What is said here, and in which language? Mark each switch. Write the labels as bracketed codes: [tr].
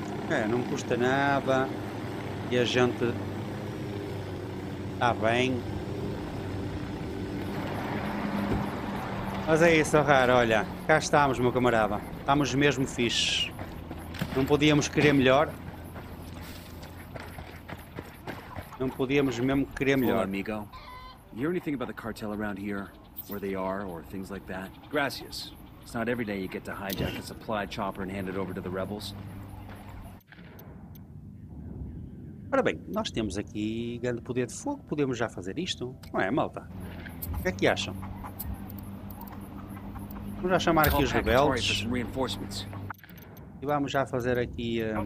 [pt] É, não custa nada. E a gente está bem. Mas é isso, Rara. Olha, cá estamos, meu camarada. Estamos mesmo fixes. Não podíamos querer melhor. Não podíamos mesmo querer melhor. Olá, amigo. [en] Hear anything about the cartel around here? Where they are or things like that? Gracias. It's not every day you get to hijack a supply chopper and hand it over to the rebels. [pt] Ora bem, nós temos aqui grande poder de fogo. Podemos já fazer isto? Não é, malta? O que é que acham? Vamos já chamar aqui os rebeldes. E vamos já fazer aqui...